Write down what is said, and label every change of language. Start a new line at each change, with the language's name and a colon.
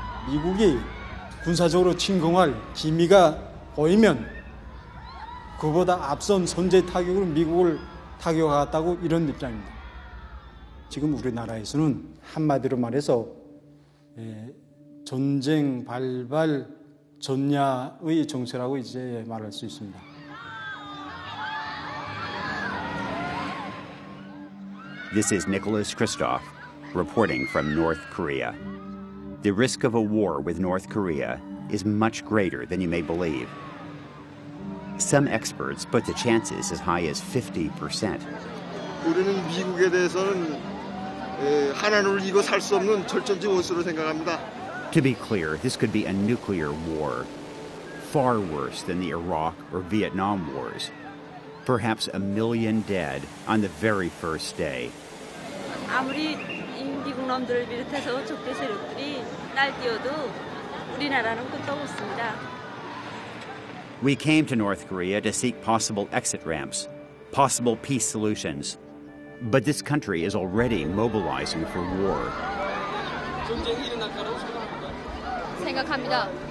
Korean: 미국이 군사적으로 침공할 기미가 보이면 그보다 앞선 선제 타격으로 미국을 타격하겠다고 이런 입장입니다. 지금 우리나라에서는 한마디로 말해서 전쟁 발발 전야의 정세라고 이제 말할 수 있습니다.
English: This is Nicholas Kristof reporting from North Korea. The risk of a war with North Korea is much greater than you may believe. Some experts put the chances as high as 50%.
Korean: 우리는 미국에 대해서는 하나님을 이거 살 수 없는 철천지 원수로 생각합니다.
English: To be clear, this could be a nuclear war, far worse than the Iraq or Vietnam wars. Perhaps a million dead on the very first day.
Korean: 아무리 미국 놈들을 비롯해서 적대 세력들이 날뛰어도 우리나라는 끝도 없습니다.
English: We came to North Korea to seek possible exit ramps, possible peace solutions. But this country is already mobilizing for war.
Korean: 전쟁이 일어날 거라고 생각합니다.